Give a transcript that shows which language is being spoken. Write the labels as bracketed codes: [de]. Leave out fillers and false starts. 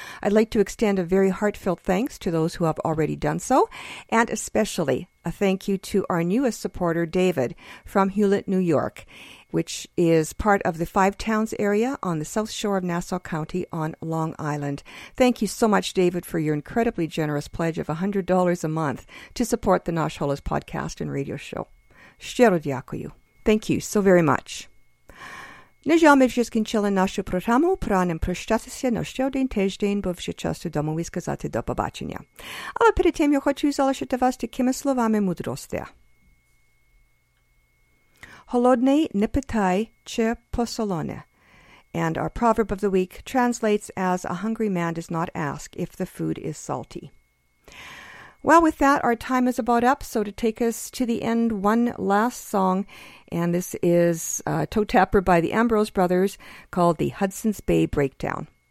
[en] I'd like to extend a very heartfelt thanks to those who have already done so, and especially a thank you to our newest supporter, David, from Hewlett, New York, which is part of the Five Towns area on the south shore of Nassau County on Long Island. Thank you so much, David, for your incredibly generous pledge of $100 a month to support the Nash Holos podcast and radio show. [uk] Щиро дякую. [en] Thank you so very much. [uk] Нежами вже скінчили нашу програму. Пора нам прощатися на ще один тиждень, бо вже час додому і сказати до побачення. Але перед тим я хочу залишити вас такими словами мудрості. Холодний не питай, чи посолоне. [en] And our proverb of the week translates as a hungry man does not ask if the food is salty. Well, with that, our time is about up. So to take us to the end, one last song. And this is Toe Tapper by the Ambrose Brothers called The Hudson's Bay Breakdown.